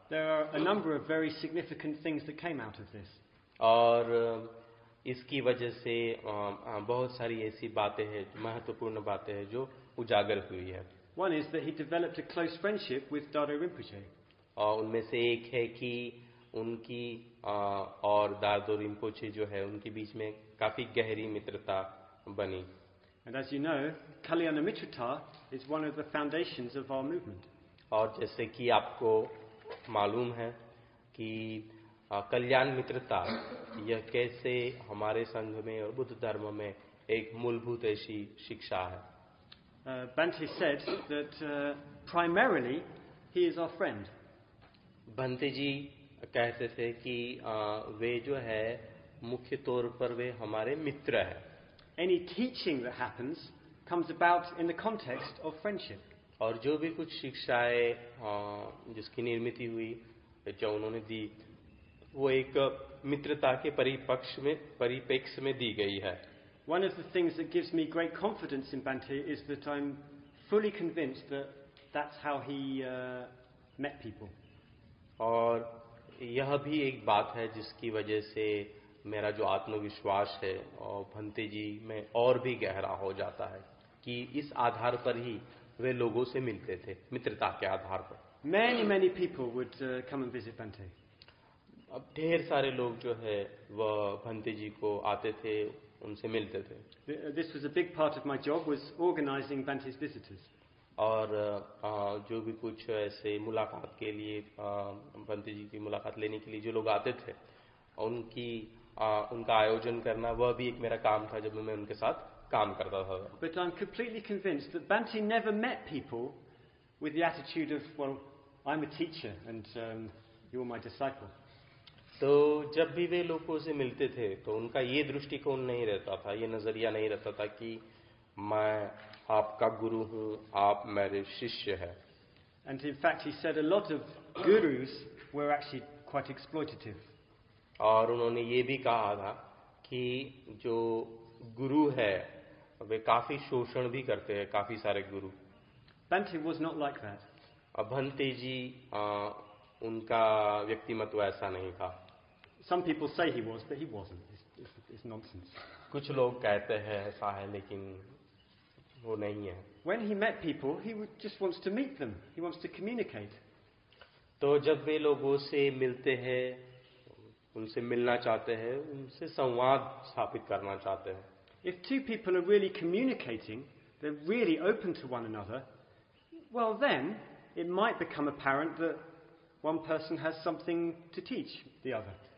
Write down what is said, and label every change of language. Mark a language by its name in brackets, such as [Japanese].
[English] There are a number of very significant things that came out of this. [Hindi] और इसकी वजह से बहुत सारी ऐसी बातें हैं महत्वपूर्ण बातें हैं जो उजागर हुई है। [English] One is that he developed a close friendship with Dado Rinpoche. [Hindi] और उनमें से एक है कि उनकी और दादो रिंपोचे जो है उनके बीच में काफी गहरी मित्रता बनी। [English] And as you know, Kalyanamitrata is one of the foundations of our movement. [Hindi] और जैसे कि आपको मालूम है कि कल्याण मित्रता यह कैसे हमारे संघ में और बुद्ध धर्म में एक मूलभूत ऐसी शिक्षा है। [English] Bhante said that primarily he is our friend. [Hindi] Bhante ji कहते थे कि वे जो है मुख्य तौर पर वे हमारे मित्र हैं। [English] Any teaching that happens comes about in the context of friendship. [Hindi] और जो भी कुछ शिक्षाएं जिसकी निर्मिति हुई जो उन्होंने दी वो एक मित्रता के परिपेक्ष में दी गई है। [English] One of the things that gives me great confidence in Bhante is that I'm fully convinced that that's how he met people. [Hindi] और यह भी एक बात है जिसकी वजह से मेरा जो आत्मविश्वास है और भंते जी में और भी गहरा हो जाता है कि इस आधार पर ही वे लोगों से मिलते थे मित्रता के आधार पर। [English] Many many people would come and visit Bhante. [Hindi] अब ढेर सारे लोग जो है वह भंते जी को आते थे उनसे मिलते थे। [English] This was a big part of my job was organizing Bhante's visitors. [Hindi] और जो भी कुछ ऐसे मुलाकात के लिए भंते जी की मुलाकात लेने के लिए जो लोग आते थे उनकी उनका आयोजन करना वह भी एक मेरा काम था जब मैं उनके साथ काम करता था। [English] But I'm completely convinced that Bhante never met people with the attitude of well I'm a teacher and you're my disciple. [Hindi] तो जब भी वे लोगों से मिलते थे तो उनका ये दृष्टिकोण नहीं रहता था ये नजरिया नहीं रहता था कि मैं आपका गुरु हूँ आप मेरे शिष्य है। [English] And in fact he said a lot of gurus were actually quite exploitative. [Hindi] और उन्होंने ये भी कहा था कि जो गुरु है वे काफी शोषण भी करते हैं काफी सारे गुरु। [English] Bhante was not like that. [Hindi] Bhante जी उनका व्यक्तिमत्व ऐसा नहीं था। [English] Some people say he was, but he wasn't. It's nonsense. [Hindi] कुछ लोग कहते हैं ऐसा है लेकिन वो नहीं है। [English] When he met people, he just wants to meet them. He wants to communicate. [Hindi] तो जब वे लोगों से मिलते हैं उनसे मिलना चाहते हैं उनसे संवाद स्थापित करना चाहते हैं। [English] If two people are really communicating, they're really open to one another, well then, it might become apparent that one person has something to teach the other.